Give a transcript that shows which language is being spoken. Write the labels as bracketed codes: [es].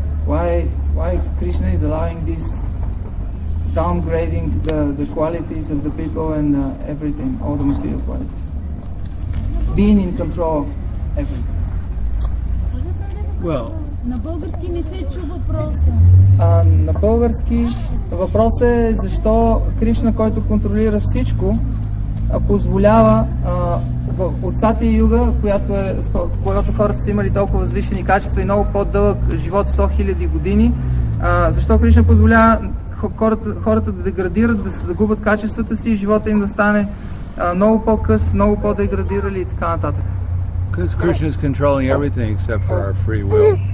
[en] Why Krishna is allowing this downgrading the qualities of the people and everything, all the material qualities? Being in control of everything. Well, [bg] на български не се чу въпроса. На български въпросът е защо Кришна, който контролира всичко, позволява от Сати Юга, когато хората са имали толкова възвишени качества и много по-дълъг живот, 100 000 години, защо Кришна позволява хората да деградират, да се загубят качествата си и живота им да стане много по-къс, много по-деградирали и така нататък. [en] Because Krishna is controlling everything except for our free will.